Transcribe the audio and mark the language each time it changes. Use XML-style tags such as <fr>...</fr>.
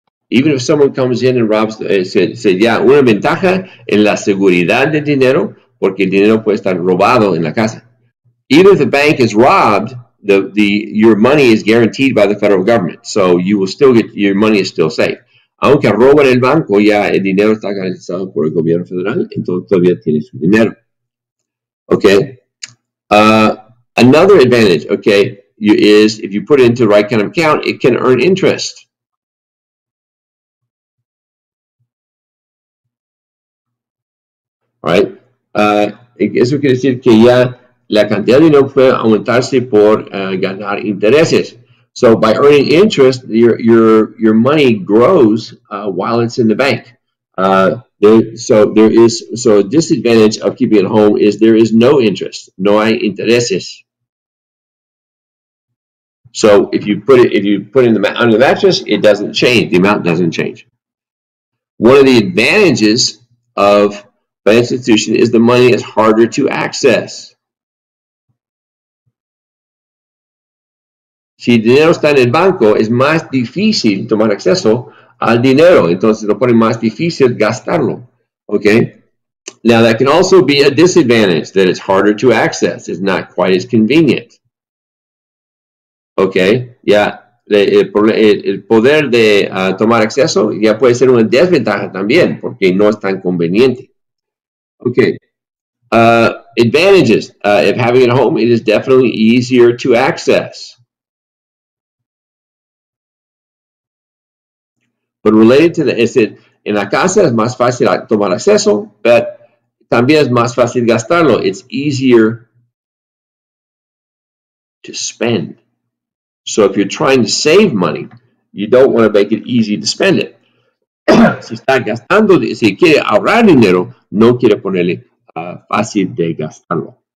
<en>Even if someone comes in and robs, say,</en> <es>ya, una ventaja en la seguridad del dinero, porque el dinero puede estar robado en la casa.</es> <en>Even if the bank is robbed, your money is guaranteed by the federal government. So you will still get, your money is still safe.</en> <es>Aunque roban el banco, ya el dinero está garantizado por el gobierno federal, entonces todavía tiene su dinero.</es> <en>Okay. Another advantage, okay, is if you put it into the right kind of account, it can earn interest. Right.</en> <es>Eso quiere decir que ya la cantidad de dinero puede aumentarse por ganar intereses.</es> <en>So by earning interest, your money grows while it's in the bank. So a disadvantage of keeping it home is there is no interest,</en> <es>no hay intereses.</es> <en>So if you put it under the mattress, it doesn't change. The amount doesn't change. One of the advantages of institution is the money is harder to access.</en> <es>Si el dinero está en el banco, es más difícil tomar acceso al dinero. Entonces, lo pone más difícil gastarlo. Okay?</es> <en>Now, that can also be a disadvantage, that it's harder to access. It's not quite as convenient.</en> <es>Okay, ya, el poder de tomar acceso ya puede ser una desventaja también, porque no es tan conveniente.</es> <en>Okay, advantages. If having it at home, it is definitely easier to access. But related to that, it said,</en> <es>en la casa es más fácil tomar acceso, but también es más fácil gastarlo.</es> <en>It's easier to spend. So if you're trying to save money, you don't want to make it easy to spend it.</en> <es>Si está gastando, si quiere ahorrar dinero, no quiere ponerle fácil de gastarlo.</es>